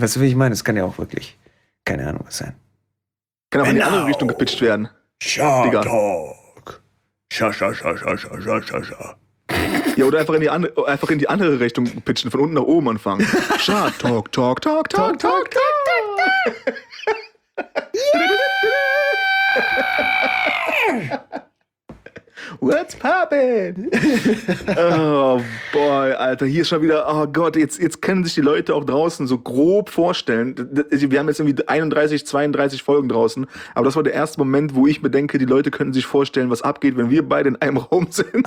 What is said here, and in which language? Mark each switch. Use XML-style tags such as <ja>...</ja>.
<de>Weißt du, wie ich meine? Es kann ja auch wirklich keine Ahnung was sein. Kann auch in die andere Richtung gepitcht werden. Sha talk. Sha, sha, sha, sha, sha, sha, sha, sha. Ja, oder einfach in die andere Richtung pitchen, von unten nach oben anfangen. Sha talk, talk, talk, talk, talk, talk, talk, talk, talk, talk.</de> <en>What's poppin'? Oh boy,</en> <de>Alter, hier ist schon wieder, oh Gott, jetzt können sich die Leute auch draußen so grob vorstellen. Wir haben jetzt irgendwie 31, 32 Folgen draußen, aber das war der erste Moment, wo ich mir denke, die Leute könnten sich vorstellen, was abgeht, wenn wir beide in einem Raum sind.</de>